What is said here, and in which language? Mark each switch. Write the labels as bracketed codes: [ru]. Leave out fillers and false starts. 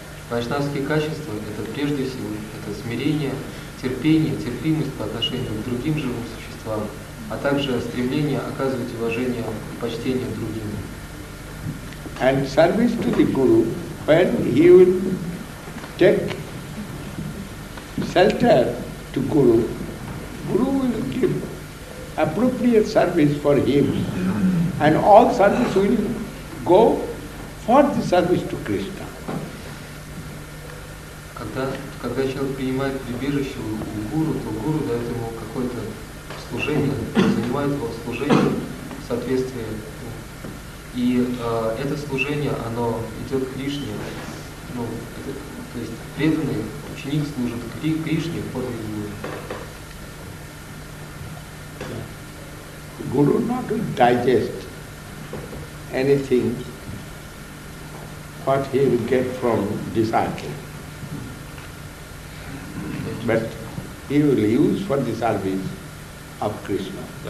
[ru] Вайшнавские качества – это прежде всего это смирение, терпение, терпимость по отношению к другим живым существам, а также стремление оказывать уважение и почтение другим. [en] And service to the Guru, when he will take shelter to Guru, Guru will give appropriate service for him, and all service will go for the service to Krishna. [ru] Когда человек принимает прибежище у гуру, то гуру дает ему какое-то служение, занимает его служение в соответствии. И это служение, оно идет Кришне. Ну, это, то есть преданный ученик служит Кришне под его гуру. [en] Гуру not digest anything what he will get from disciple. But he will use for the service of Krishna.